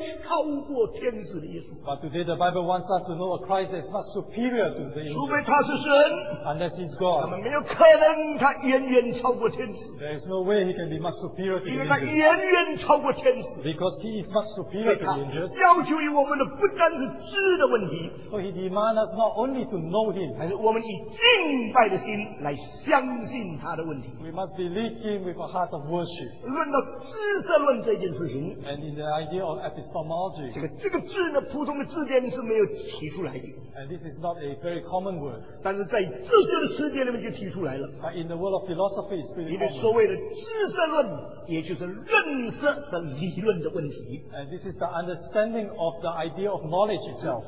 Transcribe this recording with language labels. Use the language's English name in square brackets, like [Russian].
[English] But today the Bible wants us to know a Christ that is much superior to the angels. [Chinese] 除非他是神, [English] unless he's God. [Chinese] 那么没有可能他远远超过天使, [English] there is no way he can be much superior to the angels. [Chinese] 因为他远远超过天使, [English] because he is much superior to the angels. [Chinese] 要求于我们的不单是知的问题, [English] so he demands us not only to know him, [Chinese] 还是我们以敬拜的心来相信他的问题。 [English] We must believe him with a heart of worship. [Chinese] 论到知识论这件事情, [English] and in the idea of epistemology, [Chinese] 这个字呢, 普通的字典是没有提出来的。 [English] And this is not a very common word. [Chinese] 但是在知识的世界里面就提出来了。 [English] But in the world of philosophy, it's pretty common. [Chinese] 因为所谓的知识论, 也就是认识的理论的问题。 [English] And this is the understanding of the idea of knowledge itself.